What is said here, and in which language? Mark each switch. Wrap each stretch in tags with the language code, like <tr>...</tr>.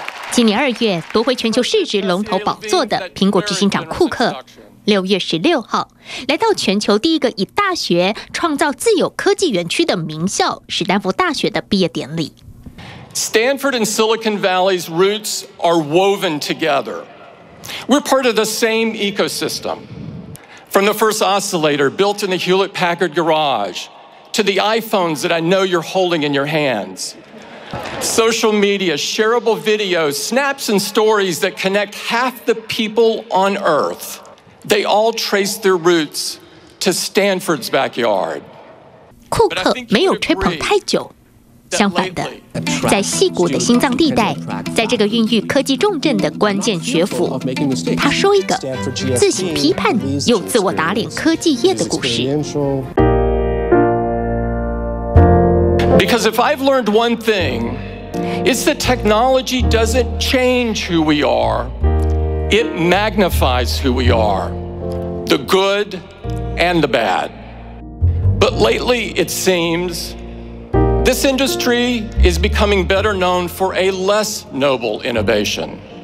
<zh>今年二月夺回全球市值龙头宝座的苹果执行长库克，6月16号来到全球第一个以大学创造自有科技园区的名校史丹佛大学的毕业典礼。</zh> <en>Stanford and Silicon Valley's roots are woven together. We're part of the same ecosystem. From the first oscillator built in the Hewlett-Packard garage to the iPhones that I know you're holding in your hands. Social media, shareable videos, snaps and stories that connect half the people on Earth. They all trace their roots to Stanford's backyard.</en> <zh>库克没有吹捧太久，相反的，在矽谷的心脏地带，在这个孕育科技重镇的关键学府，他说一个自省批判又自我打脸科技业的故事。</zh> <en>Because if I've learned one thing, it's that technology doesn't change who we are, it magnifies who we are, the good and the bad. But lately, it seems. This industry is becoming better known for a less noble innovation.</en>